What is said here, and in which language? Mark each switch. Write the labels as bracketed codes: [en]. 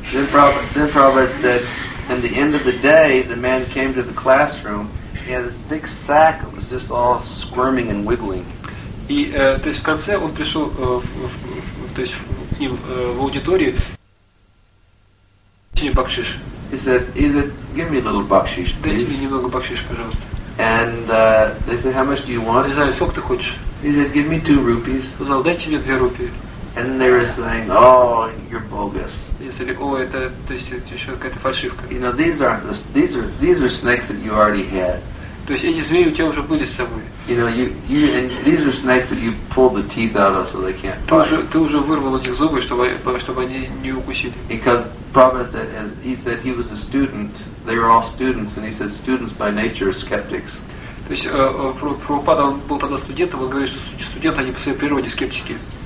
[en] Then Prabhupada said, at the end of the day, the man came to the classroom. He had this big sack. It was just all squirming and wiggling. [ru] И то есть в конце он пришел то есть к ним в аудиторию. [en] He said, give me a little bakshish, please. [ru] Дайте мне немного бакшиш, пожалуйста. [en] And they said, how much do you want? [ru] Я знаю, сколько ты хочешь. [en] He said, give me 2 rupees. [ru] Он сказал, дайте мне 2 рупии. [en] And they were saying, oh, you're bogus. [ru] И сказали, о, это, то есть, это еще какая-то фальшивка. [en] You know, these are snakes that you already had. [ru] То есть эти змеи у тебя уже были с собой. [en] You know, you and these are snakes that you pulled the teeth out of so they can't bite. [ru] Ты уже вырвал у них зубы, чтобы они не укусили. [en] Because Prabhupada said, as he said, he was a student. They were all students, and he said, students by nature are skeptics. [ru] То есть Прабхупада он был тогда студентом, он говорит, что студенты они по своей природе скептики.